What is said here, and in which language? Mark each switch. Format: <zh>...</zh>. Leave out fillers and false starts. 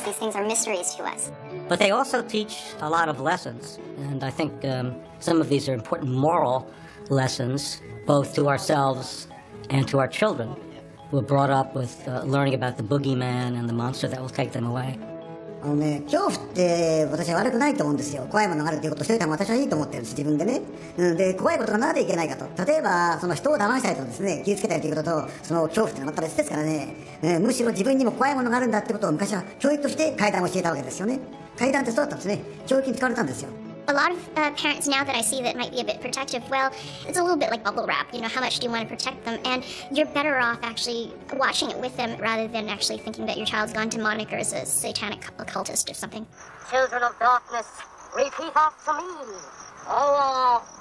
<en>These things are mysteries to us. But they also teach a lot of lessons, and I think some of these are important moral lessons, both to ourselves and to our children. We're brought up with learning about the boogeyman and the monster that will take them away.</en> <ja>あのね、恐怖って私は悪くないと思うんですよ。怖いものがあるということをしておいたのは私はいいと思ってるんです、自分でね。で、怖いことがなぜいけないかと。例えば、その人を騙したりとですね、傷つけたりということと、その恐怖ってのはまた別ですからね、むしろ自分にも怖いものがあるんだってことを昔は教育として階段を教えたわけですよね。階段ってそうだったんですね。教育に使われたんですよ。</ja> <en>A lot of parents now that I see that might be a bit protective, well, it's a little bit like bubble wrap. You know, how much do you want to protect them? And you're better off actually watching it with them rather than actually thinking that your child's gone demonic or is a satanic occultist or something. Children of darkness, repeat after me. Allah!</en>